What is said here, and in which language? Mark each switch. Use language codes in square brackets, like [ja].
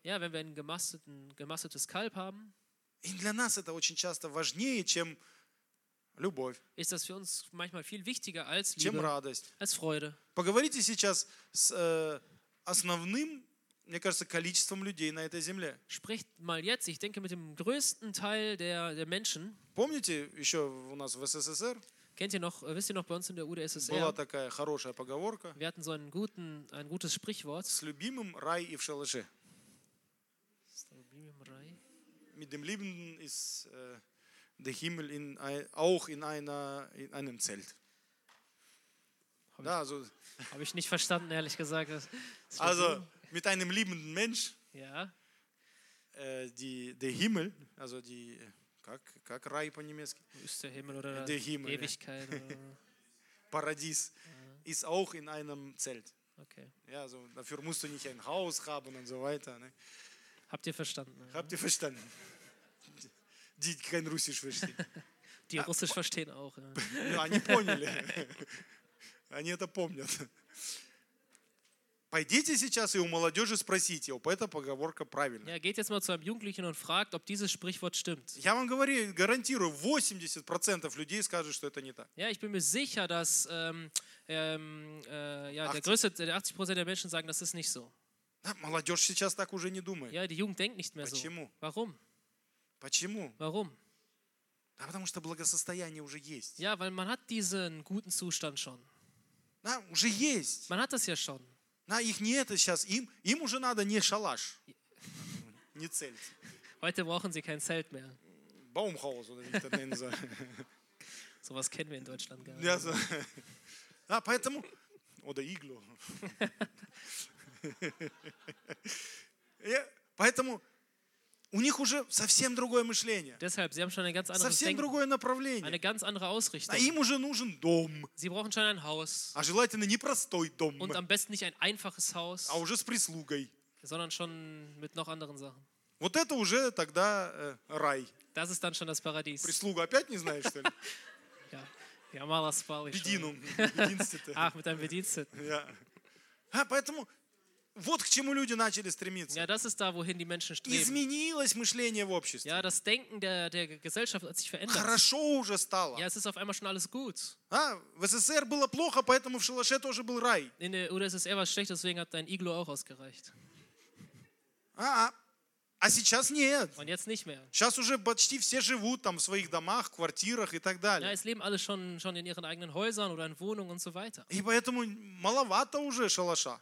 [de] Ja, wenn wir ein gemästetes Kalb haben. [ru] И для нас это очень часто важнее, чем любовь. [de] Ist das für uns manchmal viel wichtiger als Liebe? [ru] Чем радость? [de] Als Freude. [ru] Поговорите сейчас с основным мне кажется, количеством людей на этой земле. [de] Sprecht mal jetzt, ich denke, mit dem größten Teil der Menschen. [ru] Помните еще у нас в СССР? [de] Kennt ihr noch, wisst ihr noch bei uns in der UdSSR? [ru] Была такая хорошая поговорка. [de] Wir hatten so einen guten, ein gutes Sprichwort. [ru] С любимым рай и в шалаше. С любимым рай. [de] Mit dem Lieben ist der Himmel in auch in einer in einem Zelt. Habe ich nicht verstanden, ehrlich gesagt. Also mit einem liebenden Mensch. Ja. Der Himmel, also die [ru] как рай по-немецки. [de] Ist der Himmel oder der Himmel, Ewigkeit? Paradies ist auch in einem Zelt. Okay. Ja, also dafür musst du nicht ein Haus haben und so weiter. Ne? Habt ihr verstanden? Ja? Habt ihr verstanden? Die kein Russisch verstehen. Die Russisch verstehen auch. [ru] Ja, они поняли. Они это помнят. Пойдите сейчас и у молодежи спросите, ob эта поговорка правильна. [de] Ja, geht jetzt mal zu einem Jugendlichen und fragt, ob dieses Sprichwort stimmt. [ru] Я вам говорю, гарантирую, 80% людей скажут, что это не так. [de] Ja, ich bin mir sicher, dass der größte, 80% der Menschen sagen, das ist nicht so. [ru] Ja, молодежь сейчас так уже не думает. [de] Ja, die Jugend denkt nicht mehr [ru] Почему? [de] So. Warum? [ru] Почему? [de] Warum? [ru] Да, потому что благосостояние уже есть. [de] Ja, weil man hat diesen guten Zustand schon. [ru] Да, уже есть. [de] Man hat das ja schon. [ru] Na, их не это сейчас. Им уже надо не шалаш. Не Zelt. [de] Heute brauchen sie kein Zelt mehr. Baumhaus oder wie das nennen soll. So was kennen wir in Deutschland gar nicht. Ja, so. Ja, [ru] поэтому... [de] Oder Iglo. [ru] Ja, поэтому... У них уже совсем другое мышление. [de] Deshalb, sie haben schon ein ganz anderes [ru] совсем [de] Denken, [ru] другое направление. [de] Eine ganz andere Ausrichtung. [ru] А им уже нужен дом. [de] Sie brauchen schon ein Haus. [ru] А желательно не простой дом. [de] Und am besten nicht ein einfaches Haus. [ru] А уже с прислугой. [de] Sondern schon mit noch anderen Sachen. [ru] Вот это уже тогда рай. [de] Das ist dann schon das Paradies. [ru] Прислугу опять не знаешь, что ли? Ja, я мало спал еще. Бединум. [de] Ach, mit einem Bediensteten. [ru] Ja. А поэтому... Вот к чему люди начали стремиться. [de] Ja, das ist da, wohin die Menschen streben. [ru] Изменилось мышление в обществе. [de] Ja, das Denken der Gesellschaft hat sich verändert. [ru] Хорошо уже стало. [de] Ja, es ist auf einmal schon alles gut. [ru] А, в СССР было плохо, поэтому в шалаше тоже был рай. [de] In der UdSSR war es schlecht, deswegen hat dein Iglo auch ausgereicht. [ru] А сейчас нет. [de] Und jetzt nicht mehr. [ru] Сейчас уже почти все живут там в своих домах, квартирах и так далее. [de] Ja, es leben alle schon in ihren eigenen Häusern oder in Wohnungen und so weiter. [ru] И поэтому маловато уже шалаша.